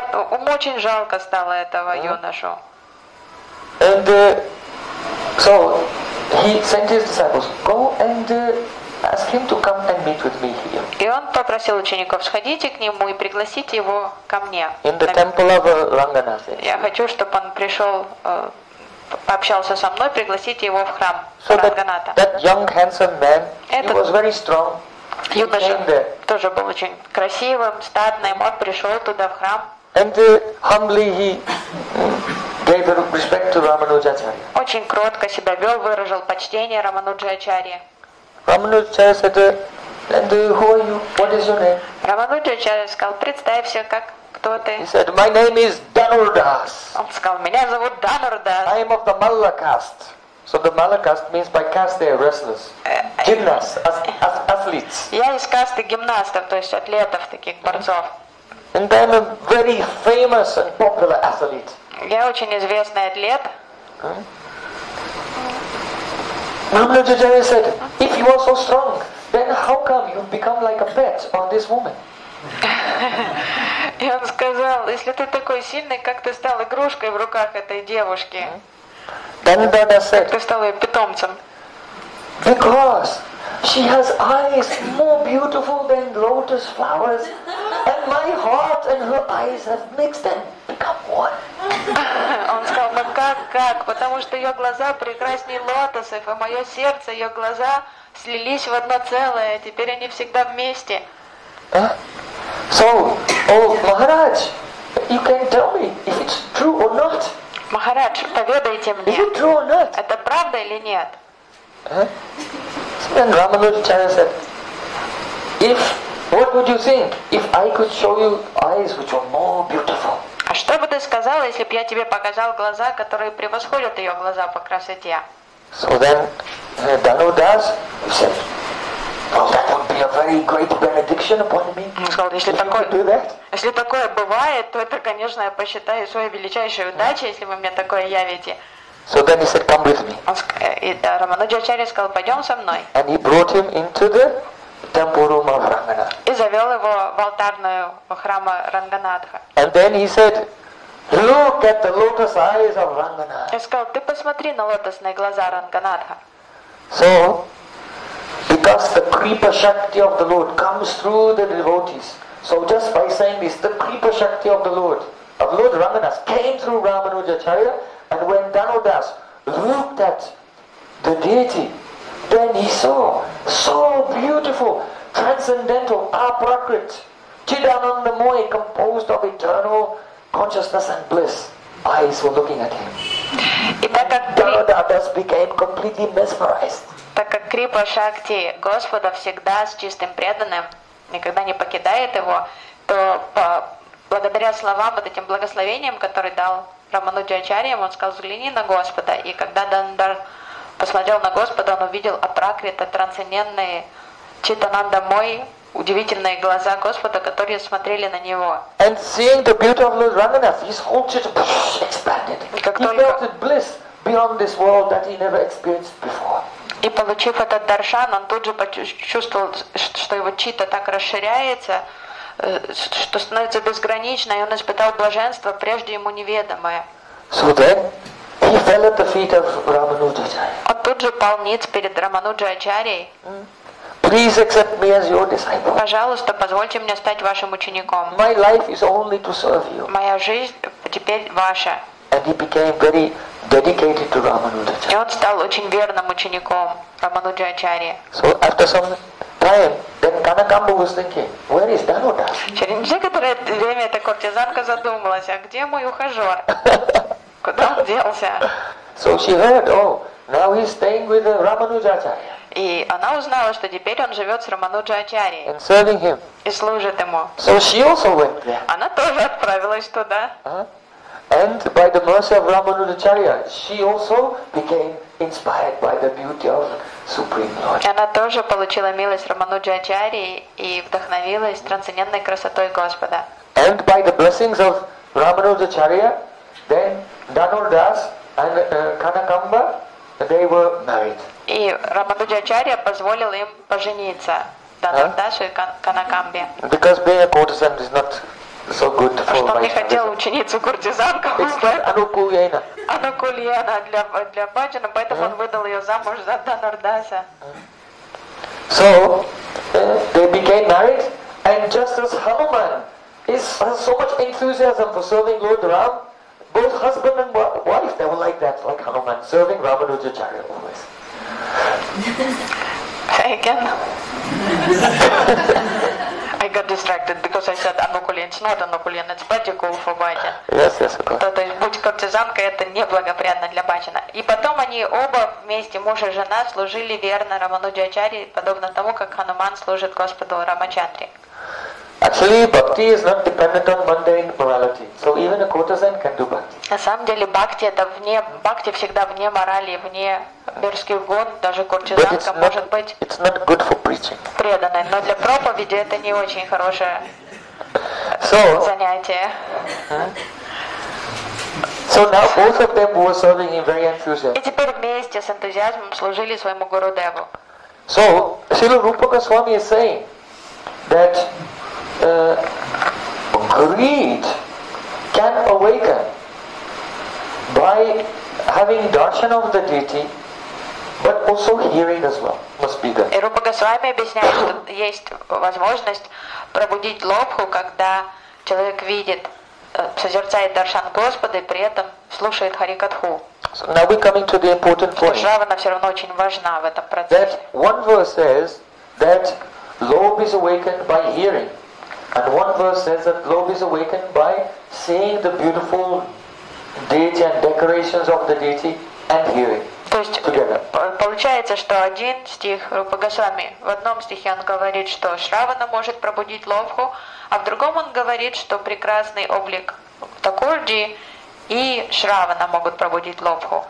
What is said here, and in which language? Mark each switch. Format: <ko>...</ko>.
<ru>Он очень жалко стало этого юношу.</ru> <en>And so he sent his disciples, go and ask him to come and meet with me here.</en> <ru>И он попросил учеников, сходите к нему и пригласите его ко мне.</ru> <en>In the temple of Ranganathan.</en> <ru>Я хочу, чтобы он пришел, пообщался со мной, пригласите его в храм Ранганата.</ru> <en>That young handsome man, he was very strong.</en> <ru>Юноша тоже был очень красивым, статным, он пришел туда в храм.</ru> <en>And humbly he gave respect to Рамануджачари.</en> <ru>Очень кротко себя вел, выражал почтение Рамануджачари.</ru> <en>Рамануджачари said, and who are you? What is your name?</en> <ru>Рамануджачари сказал, представься, как кто ты?</ru> <en>He said, my name is Dhanurdas.</en> <ru>Он сказал, меня зовут Dhanurdas.</ru> <en>I am of the Malla caste. So the Malla caste means by caste they are wrestlers. Gymnasts, athletes.</en> <ru>Я из касты гимнастов, то есть атлетов таких, борцов.</ru> <en>And I am a very famous and popular athlete.</en> <ru>Я очень известный атлет.</ru> <en>Рамануджачари said, if you are so strong, then how come you've become like a pet on this woman?</en> <ru>И он сказал, если ты такой сильный, как ты стал игрушкой в руках этой девушки? Как ты стал ее питомцем?</ru> <en>Because she has eyes more beautiful than lotus flowers, and my heart and her eyes have mixed and become one.</en> <ru>Он сказал, ну как? Потому что ее глаза прекраснее лотосов, а мое сердце, ее глаза слились в одно целое, теперь они всегда вместе.</ru> <en>So, oh, Maharaj, you can tell me if it's true or not.</en> <ru>Maharaj, поведайте мне.</ru> <en>Is it true or not?</en> <ru>Это правда или нет?</ru> <en>And Рамануджачари said, if what would you think if I could show you eyes which are more beautiful?</en> <ru>А что бы ты сказал, если бы я тебе показал глаза, которые превосходят ее глаза по красоте?</ru> <en>So then, Dhanudas said, well, that would be a very great benediction upon me.</en> <ru>Он сказал, если такое, если такое бывает, то это, конечно, я посчитаю своей величайшей удачей, если вы мне такое явите.</ru> <en>So then he said, come with me.</en> <ru>И Рамануджачари сказал, пойдем со мной.</ru> <en>And he brought him into the temple room of Ранганатха.</en> <ru>И завел его в алтарную храма Ранганатха.</ru> <en>And then he said, look at the lotus eyes of Ранганатха.</en> <ru>И сказал, ты посмотри на лотосные глаза Ранганатха.</ru> <en>So, because the Kripa Shakti of the Lord comes through the devotees, So just by saying this, the Kripa Shakti of Lord Ramanas, came through Ramanujacharya, and when Danudas looked at the deity, then he saw so beautiful, transcendental, aprakrit, chidanandamoy, composed of eternal consciousness and bliss. Eyes were looking at him. Danudas became completely mesmerized.</en> <ru>Так как Крипа Шакти Господа всегда с чистым преданным, никогда не покидает его, то благодаря словам, вот этим благословениям, которые дал Рамануджачарья, он сказал, взгляни на Господа. И когда Дандар посмотрел на Господа, он увидел апракрита, трансцендентные читананда мой, удивительные глаза Господа, которые смотрели на него.</ru> <en>And seeing the beauty of Lord Ramanas, his whole chit expanded. He felt bliss beyond this world that he never experienced before.</en> <ru>И получив этот даршан, он тут же почувствовал, что его чита так расширяется, что становится безгранично, и он испытал блаженство, прежде ему неведомое.</ru> <en>So then he fell at the feet of Рамануджачарья.</en> <ru>Он тут же пал ниц перед Рамануджачарьей.</ru> <en>Please accept me as your disciple.</en> <ru>Пожалуйста, позвольте мне стать вашим учеником.</ru> <en>My life is only to serve you.</en> <ru>Моя жизнь теперь ваша.</ru> <en>And he became very dedicated to Рамануджачарья.</en> <ru>И он стал очень верным учеником Рамануджачарьи.</ru> <en>So after some time, then Kanakamba was thinking, where is Danudas?</en> <ru>Через некоторое время эта куртизанка задумалась, а где мой ухажер? Куда он делся?</ru> <en>So she heard, oh, now he's staying with Рамануджачарья.</en> <ru>И она узнала, что теперь он живет с Рамануджачарьей.</ru> <en>And serving him.</en> <ru>И служит ему.</ru> <en>So she also went there.</en> <ru>Она тоже отправилась туда.</ru> <en>And by the mercy of Рамануджачарья, she also became inspired by the beauty of Supreme Lord.</en> <ru>Она тоже получила милость Рамануджачарьи и вдохновилась трансцендентной красотой Господа.</ru> <en>And by the blessings of Рамануджачарья, then Danudas and Kanakamba, they were married.</en> <ru>И Рамануджачарья позволил им пожениться, Данурдас и Канакамбе.</ru> <en>Because being a courtesan is not so good for Vaishnavism.</en> <ru>Что он не хотел ученицу куртизанку.</ru> <en>It's not Anukulyena.</en> <ru>Анукульена для Баджана, поэтому он выдал ее замуж за Данурдаса.</ru> <en>So, they became married, and just as Hanuman has so much enthusiasm for serving Lord Ram, both husband and wife, they were like that, like Hanuman, serving Ramanujacharya always. Say again. I got distracted because I said Anukulyena. It's not Anukulyena, it's pretty cool for Bhajan. Yes, yes, of course.</en> <ru>То есть будь куртизанкой, это неблагоприятно для Бхаджана. И потом они оба вместе, муж и жена, служили верно Рамануджачарье, подобно тому, как Хануман служит Господу Рамачандре.</ru> <en>Actually, bhakti is not dependent on mundane morality. So even a courtesan can do bhakti.</en> <ru>На самом деле, бхакти это вне бхакти всегда вне морали, вне мирских гон. Даже куртизанка может быть.</ru> <en>It's not good for preaching.</en> <ru>Преданной, но для проповеди это не очень хорошее занятие.</ru> <en>So now both of them were serving him very enthusiastically.</en> <ru>И теперь вместе с энтузиазмом служили своему Гурудеву.</ru> <en>So Srila Rupa Goswami is saying that greed can awaken by having darshan of the deity, but also hearing as well must be there.</en> <ru>Рупа Госвами объясняет, что есть возможность пробудить лобху, когда человек видит, созерцает даршан Господа и при этом слушает харикатху.</ru> <en>So now we're coming to the important point.</en> <ru>Шравана все равно очень важна в этом процессе.</ru> <en>That one verse says that lobh is awakened by hearing. And one verse says that lobh is awakened by seeing the beautiful deity and decorations of the deity and hearing together.</en> <ru>Получается, что один стих Рупа Госвами, в одном стихе он говорит, что Шравана может пробудить лобху, а в другом он говорит, что прекрасный облик Такурджи и Шравана могут пробудить лобху.</ru>